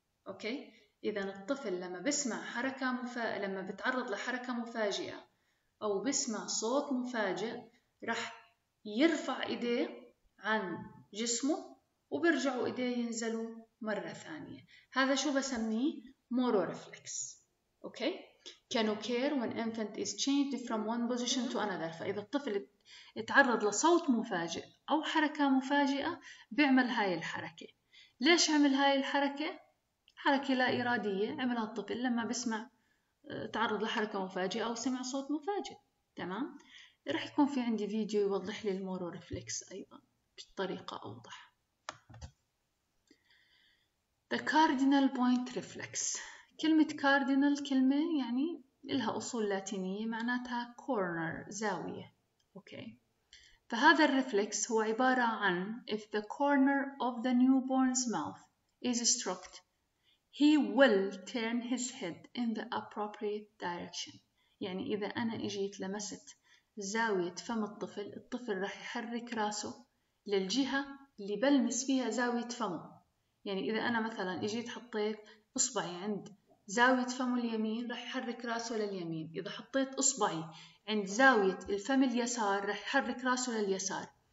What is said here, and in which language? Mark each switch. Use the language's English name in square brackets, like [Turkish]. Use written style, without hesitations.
[Arabic] أوكي؟ إذا الطفل لما بسمع حركة لما بتعرض لحركة مفاجئة أو بسمع صوت مفاجئ راح يرفع إيديه عن جسمه وبرجعوا إيديه ينزلوا مرة ثانية. هذا شو بسميه مورو ريفلكس. [English] Okay? Can occur when infant is changed from one position to another. [Arabic] فإذا الطفل اتعرض لصوت مفاجئ أو حركة مفاجئة بيعمل هاي الحركة. ليش عمل هاي الحركة؟ حركة لا إرادية عملها الطفل لما بسمع تعرض لحركة مفاجئة أو سمع صوت مفاجئ. تمام؟ رح يكون في عندي فيديو يوضح لي المورو ريفلكس أيضا بطريقة أوضح. [English] The cardinal point reflex. [Arabic] كلمة cardinal كلمة يعني لها أصول لاتينية معناتها corner زاوية. أوكي. فهذا الرفلكس هو عبارة عن [English] if the corner of the newborn's mouth is struck he will turn his head in the appropriate direction. [Arabic] يعني إذا أنا إجيت لمست زاوية فم الطفل، الطفل راح يحرك راسه للجهة اللي بلمس فيها زاوية فمه. يعني إذا أنا مثلا إجيت حطيت إصبعي عند زاوية فم اليمين رح يحرك راسه لليمين، إذا حطيت إصبعي عند زاوية الفم اليسار رح يحرك راسه لليسار.